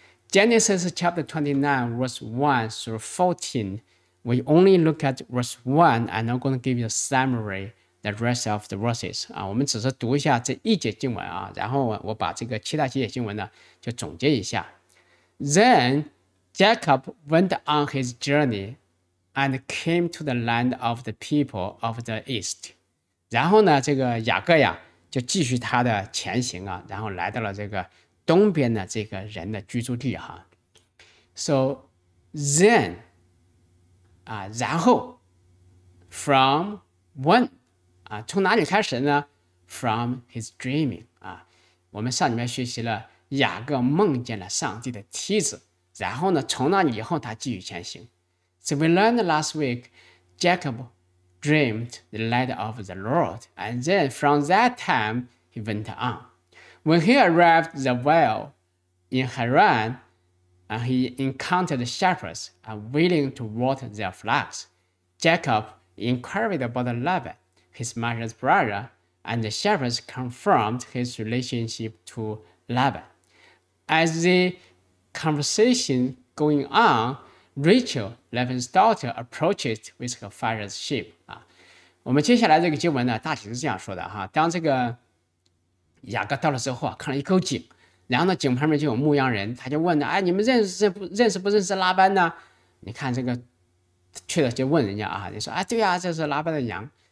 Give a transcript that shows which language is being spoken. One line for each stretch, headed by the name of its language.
English: Genesis chapter 29, verse 1 through 14. We only look at verse 1, and I'm going to give you a summary, the rest of the verses.
Chinese: 啊，我们只是读一下这一节经文啊，然后我把这个其他几节经文呢，就总结一下。
English: Then Jacob went on his journey and came to the land of the people of the east.
Chinese: 然后呢，这个雅各呀，就继续他的前行啊，然后来到了这个东边的这个人的居住地哈。
English: So then,
Chinese: 啊，然后
English: from when,
Chinese: 啊，从哪里开始呢？
English: From his dreaming,
Chinese: 啊，我们上里面学习了雅各梦见了上帝的梯子，然后呢，从那里以后他继续前行。
English: So we learned last week, Jacob dreamed the light of the Lord, and then from that time, he went on. When he arrived the well in Haran, he encountered shepherds willing to water their flocks. Jacob inquired about Laban, his mother's brother, and the shepherds confirmed his relationship to Laban. As the conversation going on, Rachel, Laban's daughter, approached with her father's sheep.
Chinese: 我们接下来这个经文呢，大体是这样说的哈，当这个雅各到了之后啊，看了一口井，然后呢，井旁边就有牧羊人，他就问呢，哎，你们认识不认识拉班呢？你看这个，去了就问人家啊，你说，哎，对呀，这是拉班的羊。